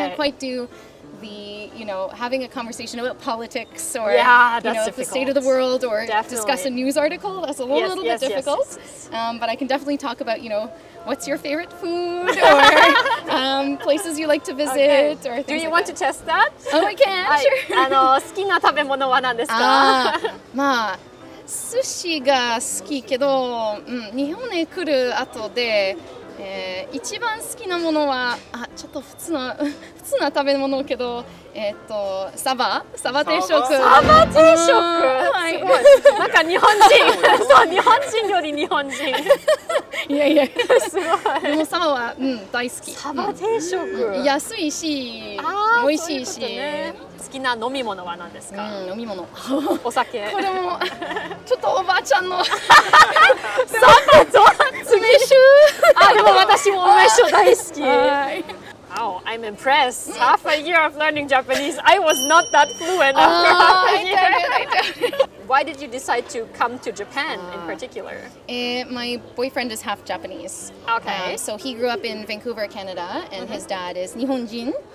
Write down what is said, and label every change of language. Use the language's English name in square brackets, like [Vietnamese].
[English] I can't quite do the, you know, having a conversation about politics or, yeah, you know, difficult. The state of the world or definitely. Discuss a news article, that's a little, yes, little yes, bit difficult. Yes, yes, yes. But I can definitely talk about, you know, what's your favorite food or places you like to visit okay. or things. Do you like want that. To test that? Oh, I can, sure. [Japanese] 好きな食べ物は何ですか? まあ、寿司が好きけど、日本へ来る後で、一番好きなものは、ちょっと普通な食べ物けど、サバ定食。サバ定食、すごい。なんか日本人、そう、日本人より日本人。いやいや、すごい。でもサバは、大好き。サバ定食。安いし、美味しいし。好きな飲み物は何ですか？飲み物。お酒。これも、ちょっとおばあちゃんの。サバと梅酒。あ、でも私も梅酒大好き。はい。 [English] Wow, I'm impressed. Half a year of learning Japanese, I was not that fluent after half a year. Why did you decide to come to Japan in particular? My boyfriend is half Japanese. Okay. So he grew up in Vancouver, Canada, and his dad is Nihonjin.